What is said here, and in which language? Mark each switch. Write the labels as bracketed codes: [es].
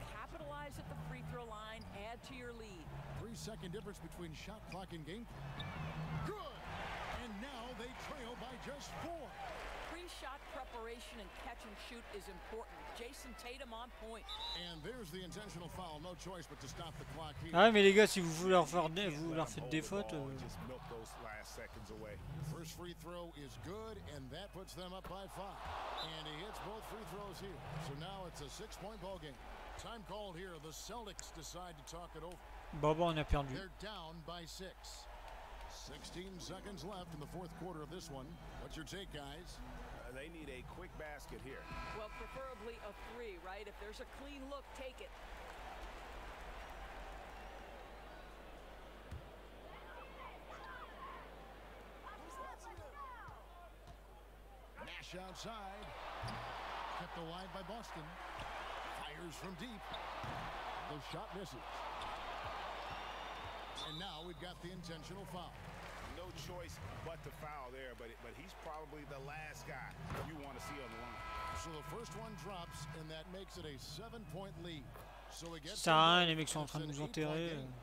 [en] Capitalize at the free throw line, add to your lead. 3-second difference between shot clock and game. Good! And now they trail by just 4. Pre-shot preparation and catch and shoot is important. Jason Tatum on point. And there's the intentional foul. No choice but to stop the clock here. [fr] Ah, mais les gars, si vous voulez leur faire des, vous leur faites des fautes. [en] Just milk those last seconds away. First free throw is good, and that puts them up by 5. And he hits both free throws here. So now it's a 6-point ball game. Time called here. The Celtics decide to talk it over. [fr] Bon, bon, on a perdu. [en] They're down by 6. 16 seconds left in the fourth quarter of this one. What's your take, guys? They need a quick basket here. Well, preferably a 3, right? If there's a clean look, take it. Nash outside. Kept alive by Boston. Fires from deep. The shot misses. And now we've got the intentional foul. No choice but to foul there, but he's probably the last guy you want to see on the line. So the first one drops, and that makes it a 7-point lead. So he gets Stein, [fr] les mecs sont en train de nous enterrer.